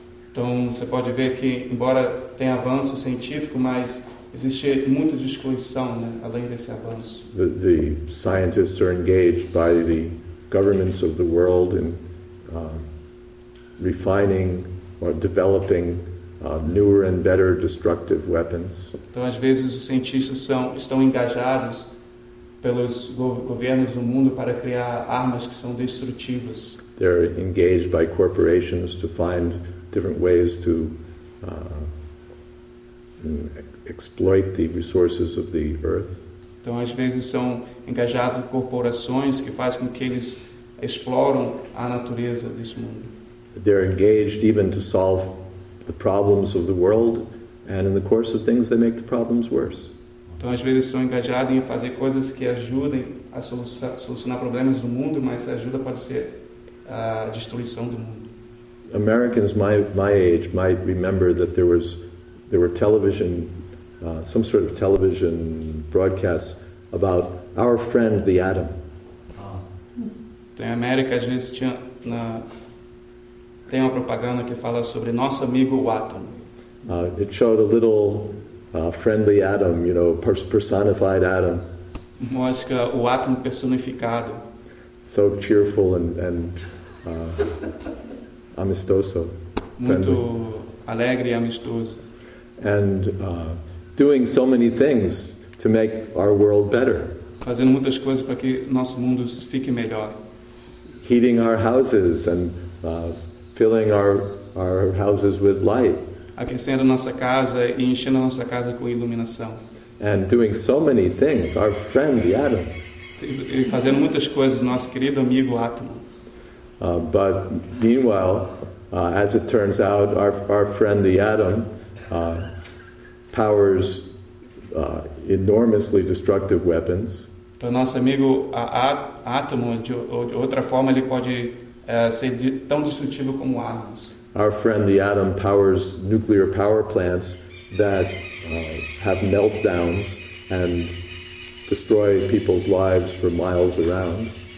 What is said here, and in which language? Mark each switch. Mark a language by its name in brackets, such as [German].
[Portuguese] Então você pode ver que embora tenha avanço científico, mas existe muita destruição, né, além desse avanço. [English] The scientists are engaged by the governments of the world in refining or developing newer and better destructive weapons. [Portuguese] Então às vezes os cientistas estão engajados pelos governos do mundo para criar armas que são destrutivas. [English] They're engaged by corporations to find different ways to exploit the resources of the earth. [Portuguese] Então, às vezes são engajados por corporações que fazem com que eles exploram a natureza desse mundo. [English] They're engaged even to solve the problems of the world, and in the course of things, they make the problems worse. [Portuguese] Então, às vezes são engajados em fazer coisas que ajudem a solucionar problemas do mundo, mas a ajuda pode ser a destruição do mundo. [English] Americans my age might remember that there were television, some sort of television broadcasts about our friend the atom. [Portuguese] Então, em América às vezes tem uma propaganda que fala sobre nosso amigo o átomo. [English] It showed a little friendly Adam, you know, personified Adam. [Portuguese] Mosca, o Adam personificado. [English] So cheerful and [Portuguese] amistoso. Muito friendly. Alegre e amistoso. [English] And doing so many things to make our world better. [Portuguese] Fazendo muitas coisas para que nosso mundo fique melhor. [English] Heating our houses and filling our houses with light. [Portuguese] Aquecendo nossa casa e enchendo nossa casa com iluminação. [English] And doing so many things, our friend the Atom. [Portuguese] E fazendo muitas coisas, nosso querido amigo Átomo. [English] But meanwhile, as it turns out, our friend the Atom powers enormously destructive weapons. [Portuguese] Então nosso amigo Átomo, de outra forma, ele pode ser tão destrutivo como armas. [English] Our friend the Atom powers nuclear power plants that have meltdowns and destroy people's lives for miles around.